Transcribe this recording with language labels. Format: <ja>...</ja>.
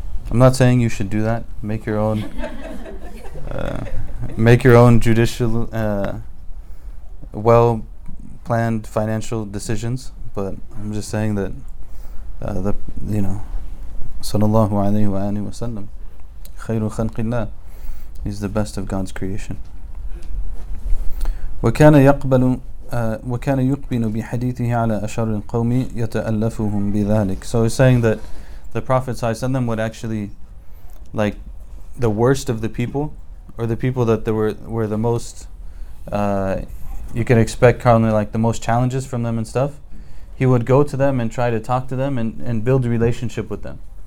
<en>I'm not saying you should do that. Make your own judicial well planned financial decisions, but I'm just saying that sallallahu alayhi wa sallam</en> <ar>khayru khalqillah,</ar> <en>he's the best of God's creation.</en> <ar>وكان يقبل وكان يقبل بحديثه على أشر القوم يتألفهم بذلك.</ar> <en>So he's saying that the Prophet ﷺ would actually, like, the worst of the people, or the people that there were the most, you can expect currently like the most challenges from them and stuff, he would go to them and try to talk to them and build a relationship with them.</en>